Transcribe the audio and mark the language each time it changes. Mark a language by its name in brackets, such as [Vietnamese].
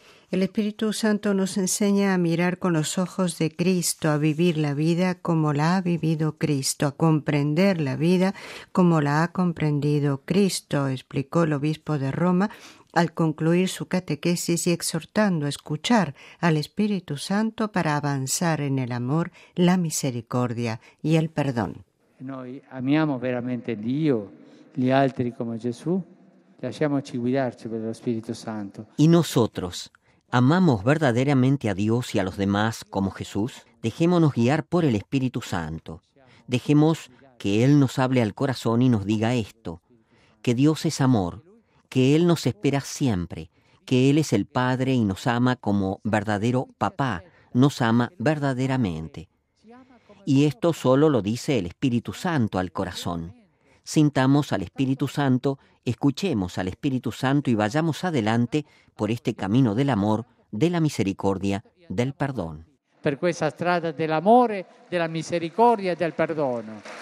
[Spanish] El Espíritu Santo nos enseña a mirar con los ojos de Cristo, a vivir la vida como la ha vivido Cristo, a comprender la vida como la ha comprendido Cristo, explicó el obispo de Roma al concluir su catequesis y exhortando a escuchar al Espíritu Santo para avanzar en el amor, la misericordia y el perdón. [Italian] Noi amiamo veramente Dio, gli altri come Gesù, lasciamoci guidarci per lo Spirito Santo. [Spanish] Y nosotros, ¿amamos verdaderamente a Dios y a los demás como Jesús? Dejémonos guiar por el Espíritu Santo. Dejemos que Él nos hable al corazón y nos diga esto: que Dios es amor, que Él nos espera siempre, que Él es el Padre y nos ama como verdadero papá, nos ama verdaderamente. Y esto solo lo dice el Espíritu Santo al corazón. Sintamos al Espíritu Santo, escuchemos al Espíritu Santo y vayamos adelante por este camino del amor, de la misericordia, del perdón. [Italian] Per questa strada dell'amore, della misericordia e del perdono.